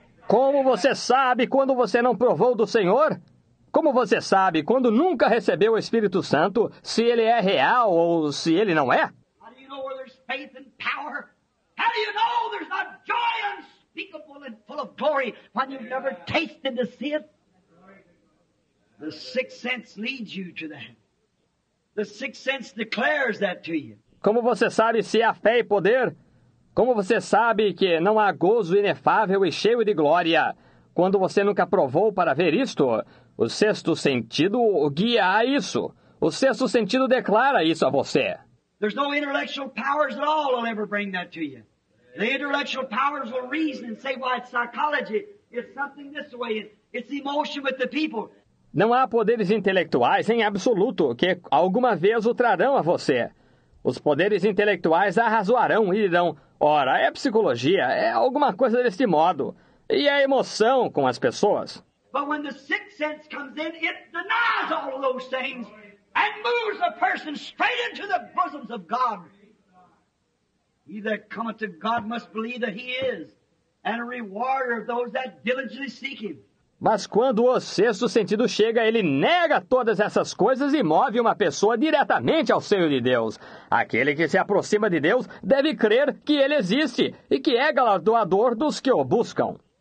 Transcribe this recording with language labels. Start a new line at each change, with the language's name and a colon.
Portuguese: Como você sabe quando você não provou do Senhor? Como você sabe quando nunca recebeu o Espírito Santo, se ele é real ou se ele não é?
English: How do you know where there's faith and power? How do you know there's not joy unspeakable and full of glory when you've never tasted to see it? The sixth sense leads you to that. The sixth sense declares that to you.
Portuguese: Como você sabe se há fé e poder? Como você sabe que não há gozo inefável e cheio de glória? Quando você nunca provou para ver isto, o sexto sentido guia a isso. O sexto sentido declara isso a você.
English: There's no intellectual powers at all will ever bring that to you. The intellectual powers will reason and say why it's psychology. It's something this way. It's emotion with the people.
Portuguese: Não há poderes intelectuais em absoluto que alguma vez o trarão a você. Os poderes intelectuais arrazoarão e dirão, ora, é psicologia, é alguma coisa deste modo. E é emoção com as pessoas.
English: But when the sixth sense comes in, it denies all those things and moves a person straight into the bosoms of God. He that cometh to God must believe that he is, and a rewarder of those that diligently seek him.
Portuguese: Mas quando o sexto sentido chega, ele nega todas essas coisas e move uma pessoa diretamente ao seio de Deus. Aquele que se aproxima de Deus deve crer que ele existe e que é galardoador dos que o buscam.